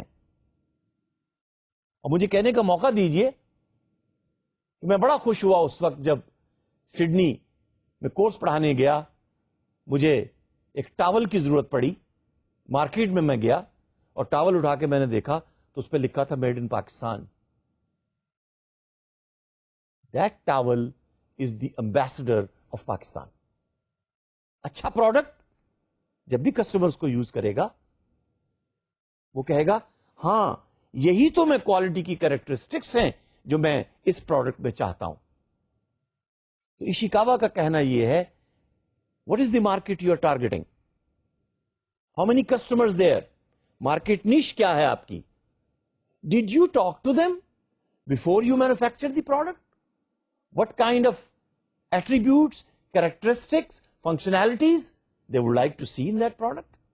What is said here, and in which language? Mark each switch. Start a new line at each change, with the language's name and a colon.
Urdu: اور مجھے کہنے کا موقع دیجئے کہ میں بڑا خوش ہوا اس وقت جب سڈنی میں کورس پڑھانے گیا, مجھے ایک ٹاول کی ضرورت پڑی, مارکیٹ میں گیا اور ٹاول اٹھا کے میں نے دیکھا تو اس پہ لکھا تھا made in Pakistan.
English: That towel is the ambassador of Pakistan.
Urdu: اچھا پروڈکٹ جب بھی کسٹمرز کو یوز کرے گا وہ کہے گا ہاں یہی تو میں کوالٹی کی کریکٹرسٹکس ہیں جو میں اس پروڈکٹ میں چاہتا ہوں. تو ایشیکاوا کا کہنا یہ ہے,
English: what is the market you are targeting, how many customers there,
Urdu: market نیش کیا ہے آپ کی,
English: Did you talk to them before you manufacture the product, what kind of attributes, characteristics, functionalities they would like to see in that product.